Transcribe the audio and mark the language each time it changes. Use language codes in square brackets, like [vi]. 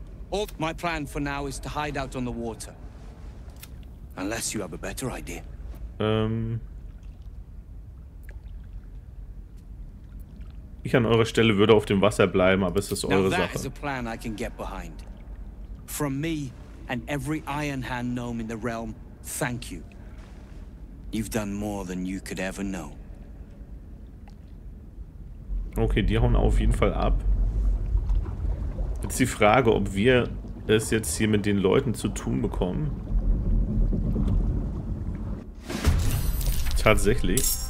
[en] All my plan for now is to hide out on the water. Unless you have a better idea. [de] Ich an eurer Stelle würde auf dem Wasser bleiben, aber es ist eure Sache. [en] Now that is a plan I can get behind. From me and every Iron Hand gnome in the realm, thank you. You've done more than you could ever know. [de] Okay, die hauen auf jeden Fall ab. Jetzt die Frage, ob wir es jetzt hier mit den Leuten zu tun bekommen. Tatsächlich.